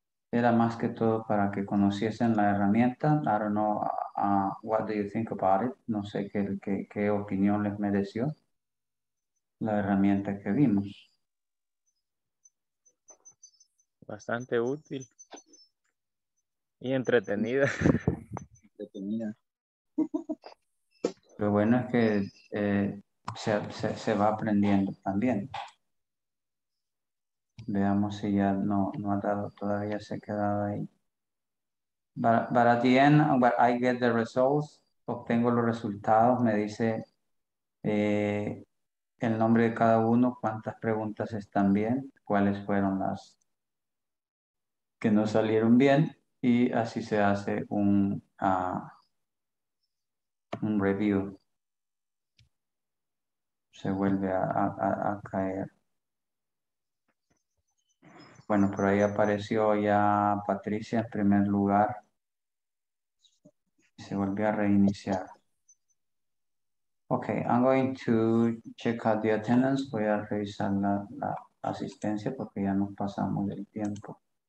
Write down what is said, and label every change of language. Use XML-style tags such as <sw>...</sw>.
<es>Era más que todo para que conociesen la herramienta.</es> <en>I don't know, what do you think about it?</en> <es>No sé qué opinión les mereció la herramienta que vimos. Bastante útil y entretenida. Entretenida. Lo bueno es que se va aprendiendo también. Veamos si ya no ha dado, todavía se ha quedado ahí. But at the end, but I get the results, obtengo los resultados, me dice el nombre de cada uno, cuántas preguntas están bien, cuáles fueron las que no salieron bien, y así se hace un review. Se vuelve a caer. Bueno, por ahí apareció ya Patricia en primer lugar. Se volvió a reiniciar.</es> <en>Okay, I'm going to check out the attendance.</en> <es>Voy a revisar la asistencia porque ya nos pasamos del tiempo.</es>